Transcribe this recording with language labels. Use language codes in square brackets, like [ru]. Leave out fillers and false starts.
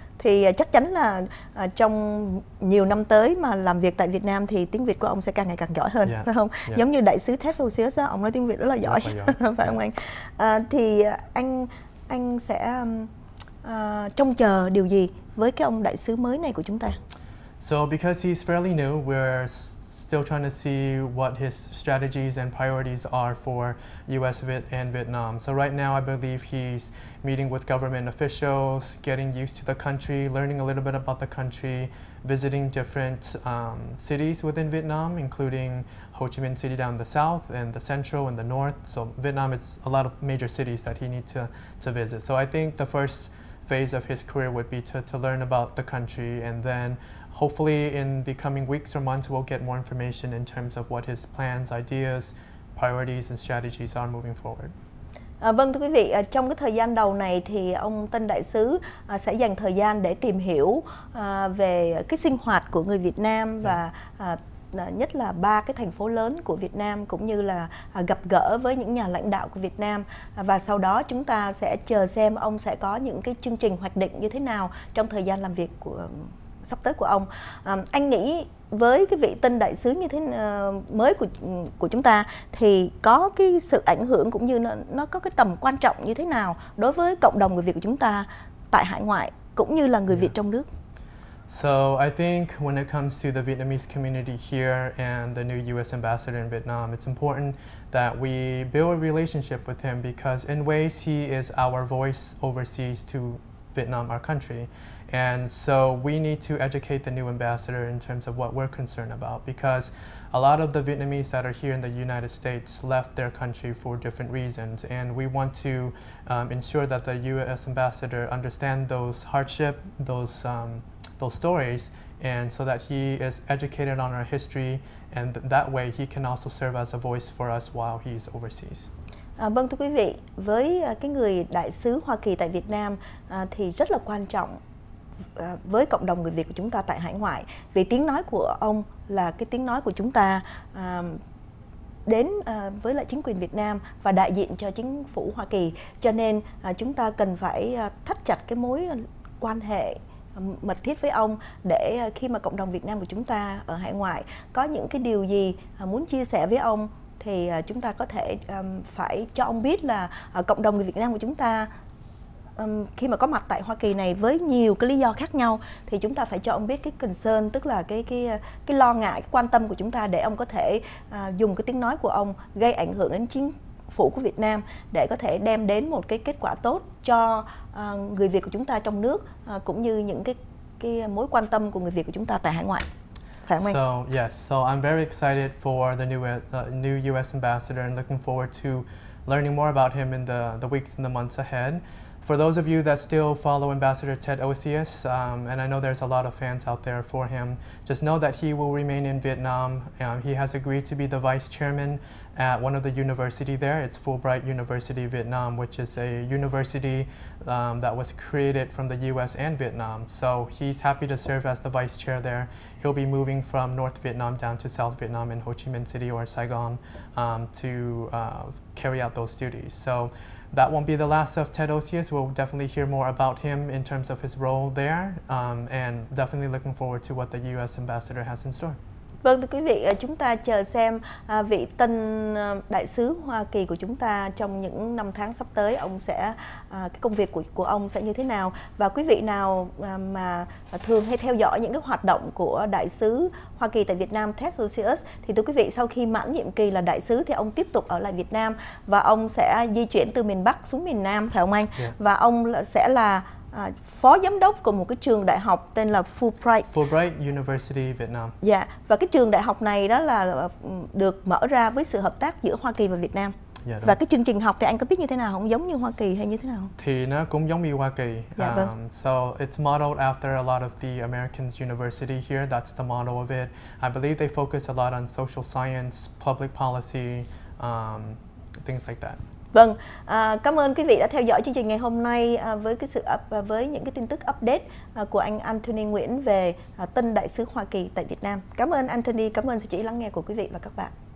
[vi] Thì chắc chắn là trong nhiều năm tới mà làm việc tại Việt Nam thì tiếng Việt của ông sẽ càng ngày càng giỏi hơn, yeah, phải không? Yeah. Giống như đại sứ Ted Osius, ông nói tiếng Việt rất là giỏi. Giỏi. Phải không anh? Thì anh sẽ trông chờ điều gì với cái ông đại sứ mới này của chúng ta? [en] So because he's fairly new, we're still trying to see what his strategies and priorities are for US and Vietnam. So right now I believe he's meeting with government officials, getting used to the country, learning a little bit about the country, visiting different cities within Vietnam, including Ho Chi Minh City down the south and the central and the north. So Vietnam is a lot of major cities that he needs to visit. So I think the first phase of his career would be to learn about the country, and then hopefully in the coming weeks or months we'll get more information in terms of what his plans, ideas, priorities and strategies are moving forward. [vi] Vâng, thưa quý vị, trong cái thời gian đầu này thì ông tân đại sứ sẽ dành thời gian để tìm hiểu về cái sinh hoạt của người Việt Nam, và nhất là ba cái thành phố lớn của Việt Nam, cũng như là gặp gỡ với những nhà lãnh đạo của Việt Nam. Và sau đó chúng ta sẽ chờ xem ông sẽ có những cái chương trình hoạch định như thế nào trong thời gian làm việc của sắp tới của ông. Anh nghĩ với cái vị tân đại sứ như thế mới của chúng ta thì có cái sự ảnh hưởng cũng như nó có cái tầm quan trọng như thế nào đối với cộng đồng người Việt của chúng ta tại hải ngoại cũng như là người Việt trong nước? [en] So I think when it comes to the Vietnamese community here and the new U.S. ambassador in Vietnam, it's important that we build a relationship with him because in ways he is our voice overseas to Vietnam, our country. And so we need to educate the new ambassador in terms of what we're concerned about, because a lot of the Vietnamese that are here in the United States left their country for different reasons. And we want to ensure that the U.S. ambassador understand those hardship, those stories, and so that he is educated on our history, and that way he can also serve as a voice for us while he's overseas. [vi] Vâng, thưa quý vị, với cái người đại sứ Hoa Kỳ tại Việt Nam thì rất là quan trọng với cộng đồng người Việt của chúng ta tại hải ngoại, vì tiếng nói của ông là cái tiếng nói của chúng ta đến với lại chính quyền Việt Nam và đại diện cho chính phủ Hoa Kỳ, cho nên chúng ta cần phải thắt chặt cái mối quan hệ mật thiết với ông, để khi mà cộng đồng Việt Nam của chúng ta ở hải ngoại có những cái điều gì muốn chia sẻ với ông thì chúng ta có thể phải cho ông biết là cộng đồng người Việt Nam của chúng ta khi mà có mặt tại Hoa Kỳ này với nhiều cái lý do khác nhau, thì chúng ta phải cho ông biết cái concern, tức là cái lo ngại, cái quan tâm của chúng ta, để ông có thể dùng cái tiếng nói của ông gây ảnh hưởng đến chính phủ của Việt Nam để có thể đem đến một cái kết quả tốt cho người Việt của chúng ta trong nước cũng như những cái mối quan tâm của người Việt của chúng ta tại hải ngoại. [en] So yes, so I'm very excited for the new U.S. ambassador and looking forward to learning more about him in the weeks and the months ahead. For those of you that still follow Ambassador Ted Osius, and I know there's a lot of fans out there for him, just know that he will remain in Vietnam. He has agreed to be the vice chairman at one of the universities there. It's Fulbright University Vietnam, which is a university that was created from the U.S. and Vietnam. So he's happy to serve as the vice chair there. He'll be moving from North Vietnam down to South Vietnam in Ho Chi Minh City or Saigon to carry out those duties. So that won't be the last of Ted Osius. We'll definitely hear more about him in terms of his role there, and definitely looking forward to what the U.S. ambassador has in store. [vi] Vâng, thưa quý vị, chúng ta chờ xem vị tân đại sứ Hoa Kỳ của chúng ta trong những năm tháng sắp tới, ông sẽ cái công việc của ông sẽ như thế nào. Và quý vị nào mà thường hay theo dõi những cái hoạt động của đại sứ Hoa Kỳ tại Việt Nam Ted Osius, thì thưa quý vị, sau khi mãn nhiệm kỳ là đại sứ thì ông tiếp tục ở lại Việt Nam và ông sẽ di chuyển từ miền Bắc xuống miền Nam, phải không anh? Yeah. Và ông sẽ là phó giám đốc của một cái trường đại học tên là Fulbright. [en] Fulbright University Vietnam. [vi] Dạ, yeah. Và cái trường đại học này đó là được mở ra với sự hợp tác giữa Hoa Kỳ và Việt Nam. Yeah, và cái chương trình học thì anh có biết như thế nào không? Giống như Hoa Kỳ hay như thế nào? Thì nó cũng giống như Hoa Kỳ. Yeah, [en] So it's modeled after a lot of the American university here. That's the model of it. I believe they focus a lot on social science, public policy, things like that. [vi] Vâng, cảm ơn quý vị đã theo dõi chương trình ngày hôm nay với cái sự với những cái tin tức update của anh Anthony Nguyễn về tân đại sứ Hoa Kỳ tại Việt Nam. Cảm ơn Anthony, cảm ơn sự chú ý lắng nghe của quý vị và các bạn.